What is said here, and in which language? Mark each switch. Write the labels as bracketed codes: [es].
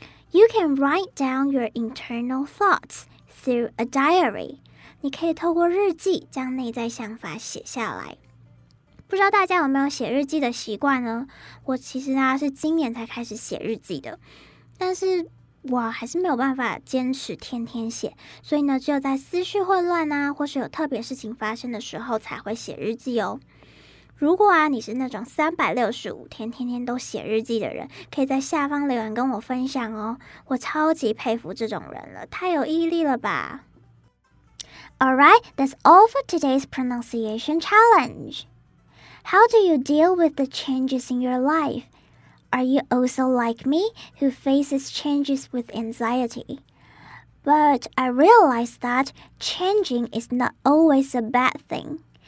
[en] You can write down your internal thoughts through a diary. [zh] 你可以透过日记将内在想法写下来。不知道大家有没有写日记的习惯呢？我其实呢是今年才开始写日记的，但是我还是没有办法坚持天天写，所以呢，只有在思绪混乱啊，或是有特别事情发生的时候才会写日记哦。如果啊，你是那种365天天天都写日记的人，可以在下方留言跟我分享哦。我超级佩服这种人了，太有毅力了吧。 [en] Alright, that's all for today's pronunciation challenge. How do you deal with the changes in your life? Are you also like me, who faces changes with anxiety? But I realize that changing is not always a bad thing.